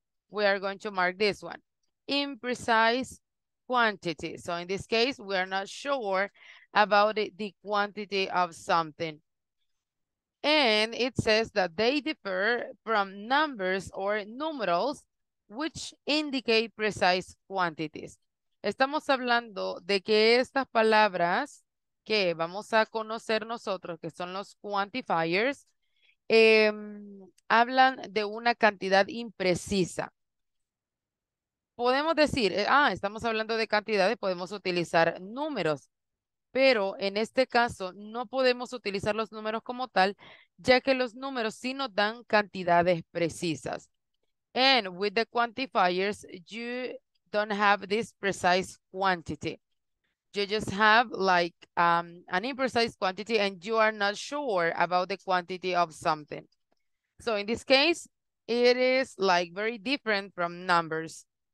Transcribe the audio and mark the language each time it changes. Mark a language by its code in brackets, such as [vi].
[en] We are going to mark this one, imprecise quantity. So in this case, we are not sure about the quantity of something. And it says that they differ from numbers or numerals, which indicate precise quantities. [es] Estamos hablando de que estas palabras que vamos a conocer nosotros, que son los quantifiers, hablan de una cantidad imprecisa. Podemos decir, estamos hablando de cantidades, podemos utilizar números. Pero en este caso no podemos utilizar los números como tal, ya que los números sí nos dan cantidades precisas. [en] And with the quantifiers, you don't have this precise quantity. You just have like an imprecise quantity and you are not sure about the quantity of something. So in this case, it is like very different from numbers.